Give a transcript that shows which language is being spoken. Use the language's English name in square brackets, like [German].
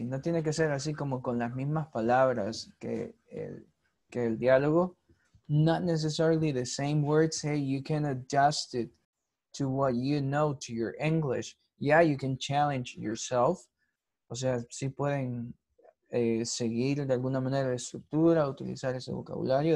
[Spanish] No tiene que ser así como con las mismas palabras que el diálogo. [English] Not necessarily the same words. Hey, you can adjust it to what you know, to your English. Yeah, you can challenge yourself. [Spanish] O sea, sí pueden seguir de alguna manera la estructura, utilizar ese vocabulario.